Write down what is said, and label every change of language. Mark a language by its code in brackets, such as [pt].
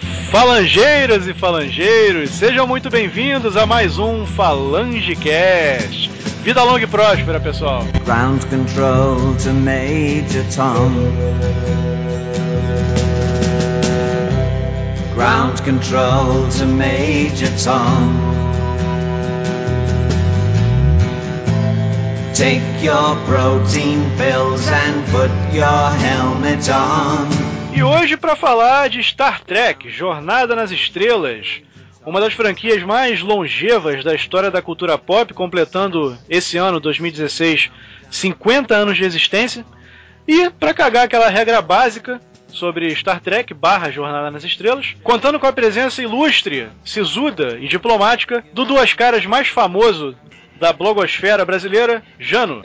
[pt] Falangeiras e falangeiros, sejam muito bem-vindos a mais um FalangeCast. Vida longa e próspera, pessoal. [en] Ground control to Major Tom. Ground control to Major Tom. Take your protein pills and put your helmet on. [pt] E hoje, para falar de Star Trek, Jornada nas Estrelas, uma das franquias mais longevas da história da cultura pop, completando esse ano, 2016, 50 anos de existência. E para cagar aquela regra básica sobre Star Trek / Jornada nas Estrelas, contando com a presença ilustre, sisuda e diplomática do Duas Caras mais famoso da blogosfera brasileira, Jano.